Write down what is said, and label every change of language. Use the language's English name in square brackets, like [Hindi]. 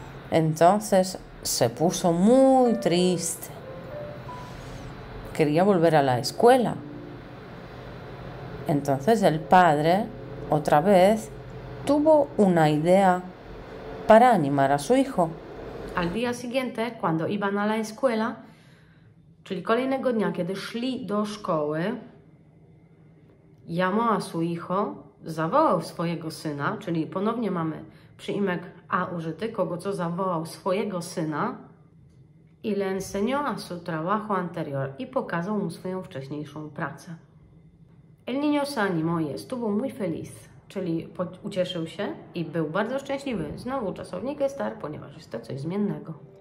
[Spanish] Entonces se puso muy triste. Quería volver a la escuela. Entonces el padre, otra vez, tuvo una idea para animar a su hijo. Al día siguiente, cuando iban a la escuela, [Polish] czyli kolejnego dnia, kiedy szli do szkoły, [Spanish] llamó a su hijo, [Polish] zawołał swojego syna, czyli ponownie mamy przyimek a użyty, kogo co zawołał swojego syna, [Spanish] y le enseñó a su trabajo anterior [Polish] i pokazał mu swoją wcześniejszą pracę. [Spanish] El niño se animó y estuvo muy feliz. [Polish] Czyli ucieszył się i był bardzo szczęśliwy. Znowu czasownik estar, ponieważ jest to coś zmiennego.